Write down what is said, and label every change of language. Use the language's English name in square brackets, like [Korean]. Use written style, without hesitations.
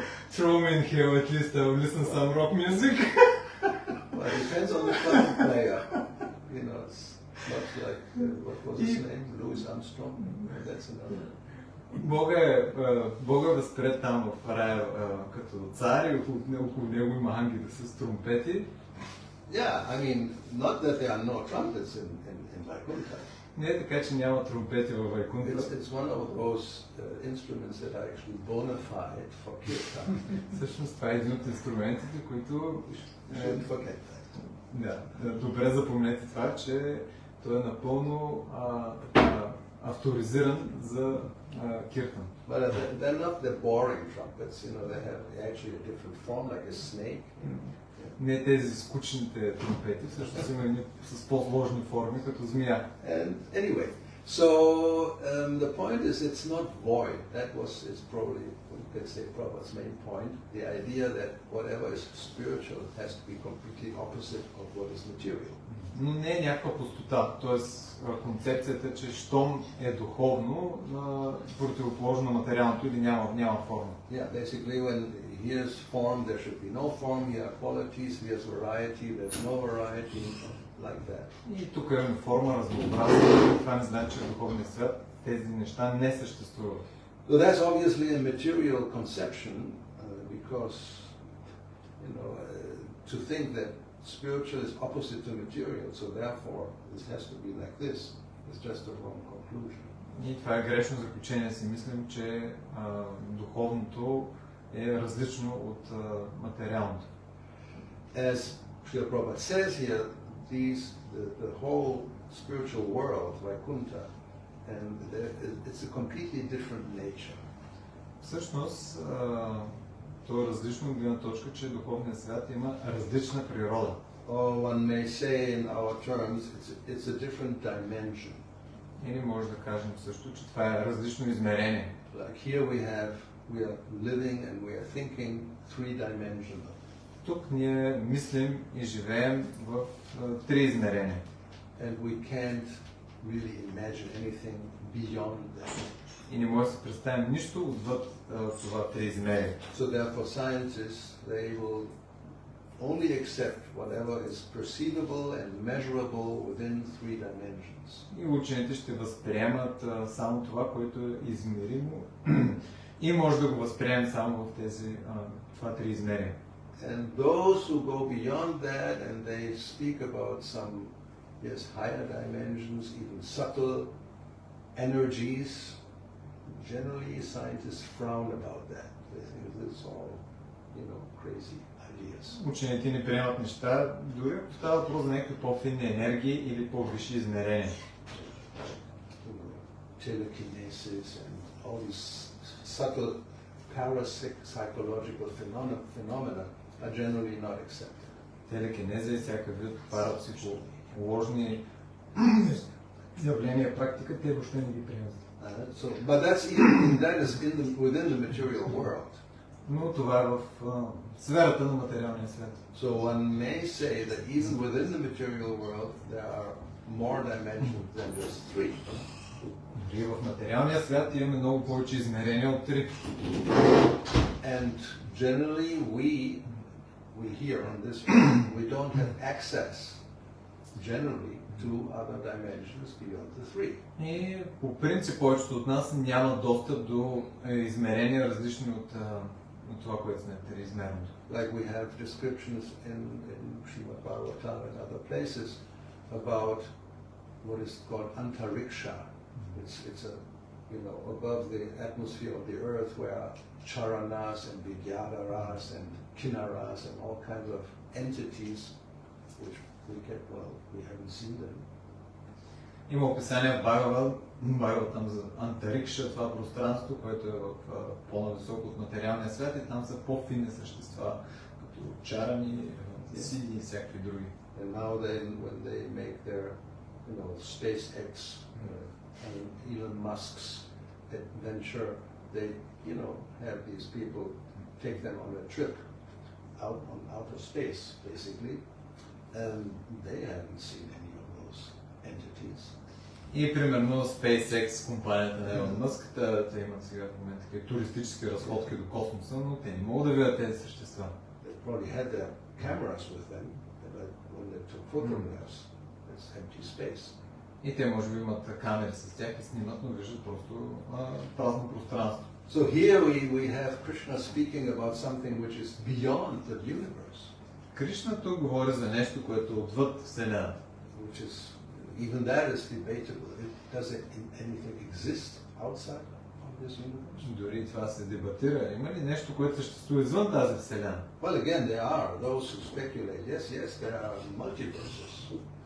[English] Throw me in here, at least I will listen to some rock music. Well, it depends on the trumpet player. You know, it's much like, what was his name? Louis Armstrong? That's another. [Bulgarian] Бога е възпред там в рая като цар и около него има ангели с тромпети. [English] Yeah, I mean, not that there are no trumpets in Vaikuntha. [Bulgarian] Не е така, че няма тромпети в Вайкунта. [English] It's one of those instruments that are actually bona fide for kirtan. [Bulgarian] Всъщност това е един от инструментите, които... [English] Shouldn't forget that. [Bulgarian] Да, добре запомнете това, че той е напълно авторизиран за киртан. [English] But they're not the boring trumpets, you know, they have actually a different form, like a snake. [Bulgarian] Не тези скучните трумпети, всъщност има едни с по-сложни форми, като змия. [English] And anyway, so the point is it's not void. That was is probably, you could say, Prabhupada's main point. The idea that whatever is spiritual has to be completely opposite of what is material. [Bulgarian] Но не е някаква пустота, т.е. концепцията, че щом е духовно, противоположно на материалното или няма форма. [English] Yeah, basically when here's form, there should be no form, here are qualities, here's variety, there's no variety, like that. [Bulgarian] И тук имаме форма, разнообразие, това не значи, че в духовния свят тези неща не съществуват. [English] So that's obviously a material conception, because, you know, to think that spiritual is opposite to material, so therefore this has to be like this. It's just a wrong conclusion. [Bulgarian] И това е грешно заключение. Си мислим, че духовното е различно от материалното. [English] As Srila Prabhupada says here, the whole spiritual world, Vaikuntha, and it's a completely different nature. [Bulgarian] Всъщност, то е различно от гледна точка, че духовният свят има различна природа. [English] Or one may say in our terms, it's a different dimension. [Bulgarian] Или може да кажем също, че това е различно измерение. [English] Like here we are living and we are thinking three-dimensional. [Bulgarian] Тук ние мислим и живеем в три измерения. [English] And we can't really imagine anything beyond that. [Bulgarian] И не може да се представим нищо отвъд това три измерение. [English] So therefore scientists, they will only accept whatever is perceivable and measurable within three dimensions. [Bulgarian] И учените ще възприемат само това, което е измеримо и може да го възприемем само в тези това три измерения. [English] And those who go beyond that and they speak about some yes, higher dimensions, even subtle energies. Generally, scientists frown about that. They think it's all, you know, crazy ideas. [Bulgarian] Учените не приемат неща, дори ако става въпрос за някакви по-финни енергии или по-висши измерения. [English] Telekinesis and all these subtle parapsychological phenomena are generally not accepted. [Bulgarian] Телекинеза и всякакъв вид парапсихоложни явления, практика, те въобще не ги приемат. [English] So, but that's even, that is in the, within the material world. [Bulgarian] Но това е в сферата на материалния свят. [English] So one may say that even within the material world there are more dimensions than just three. [Bulgarian] И в материалния свят имаме много повече измерения от три. [English] And generally we here on this planet, we don't have access generally to other dimensions beyond the three. [Bulgarian] И по принцип повечето от нас няма достъп до измерения различни от това, което сме три измерното. [English] Like we have descriptions in Srimad Bhagavatam and other places about what is called Antariksha. It's a, you know, above the atmosphere of the earth where charanas and vidyadharas and kinaras and all kinds of entities which we get, well, we haven't seen them. [Bulgarian] Има описание в Бхагаватам за Антарикша, това пространство, което е в по-нависоко от материалния свят, и там са по-финни същества, като чарани, сиди и всякакви други. [English] And now then, when they make their, you know, SpaceX, and Elon Musk's adventure, they, you know, have these people take them on a trip out on outer space, basically, and they haven't seen any of those entities. [Bulgarian] И примерно SpaceX компанията на Elon Musk, те имат сега в момента такива туристически разходки до космоса, но те не могат да видят тези същества. [English] They probably had their cameras with them, but when they took photographs, it's empty space. [Bulgarian] И те може би имат камери с тях и снимат, но виждат просто празно пространство. [English] So here we have Krishna speaking about something which is beyond the universe. [Bulgarian] Кришна тук говори за нещо, което отвъд Вселената. [English] Which is, even that is debatable. It doesn't anything exist outside of this universe. [Bulgarian] Дори това се дебатира. Има ли нещо, което съществува извън тази Вселена? [English] Well, again, there are those who speculate. Yes, yes, there are multiverses.